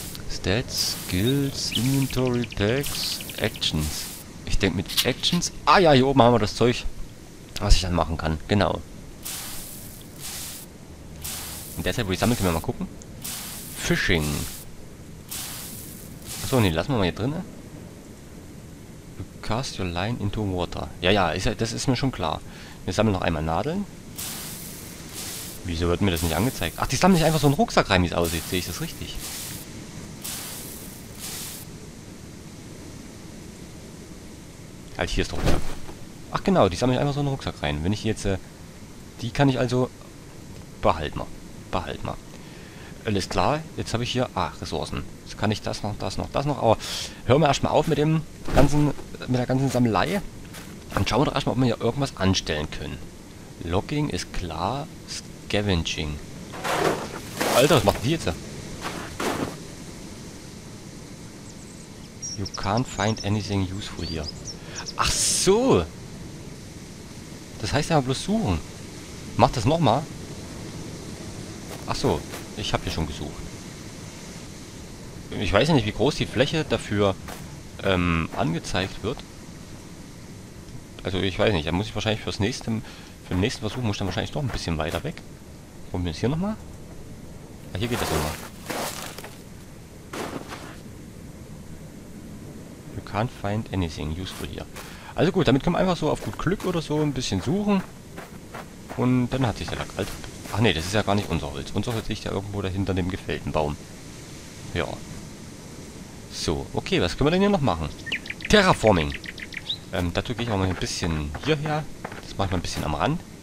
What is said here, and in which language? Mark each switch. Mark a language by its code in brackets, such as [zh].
[en] Stats, Skills, Inventory, Packs, Actions. [de] Ich denke mit Actions. Ah ja, hier oben haben wir das Zeug, was ich dann machen kann. Genau. Und deshalb, wo ich sammle, können wir mal gucken. Fishing. Achso, nee, lassen wir mal hier drinnen. [en] You cast your line into water. [de] Ja, ja, das ist mir schon klar. Wir sammeln noch einmal Nadeln. Wieso wird mir das nicht angezeigt? Ach, die sammeln sich einfach so einen Rucksack rein, wie es aussieht. Sehe ich das richtig? Halt, hier ist der Rucksack. Ach genau, die sammle ich einfach so in den Rucksack rein. Wenn ich jetzt, die kann ich also... Behalten wir. Alles klar, jetzt habe ich hier... Ah, Ressourcen. Jetzt kann ich das noch. Aber hören wir erstmal auf mit dem ganzen... Mit der ganzen Sammelei. Und schauen wir doch erstmal, ob wir hier irgendwas anstellen können. Logging ist klar. Scavenging. Alter, was macht die jetzt? [en] You can't find anything useful here. [de] Ach so! Das heißt ja bloß suchen. Mach das nochmal. Ach so, ich habe hier schon gesucht. Ich weiß ja nicht, wie groß die Fläche dafür angezeigt wird. Also ich weiß nicht, da muss ich wahrscheinlich für den nächsten Versuch muss ich dann wahrscheinlich doch ein bisschen weiter weg. Probieren wir es hier nochmal. Ah, hier geht das nochmal. [en] You can't find anything useful here. [de] Also gut, damit kann man einfach so auf gut Glück oder so ein bisschen suchen. Und dann hat sich der Lack halt... Ach nee, das ist ja gar nicht unser Holz. Unser Holz liegt ja irgendwo dahinter dem gefällten Baum. Ja. So, okay, was können wir denn hier noch machen? Terraforming! Dazu gehe ich auch mal ein bisschen hierher. Das mache ich mal ein bisschen am Rand.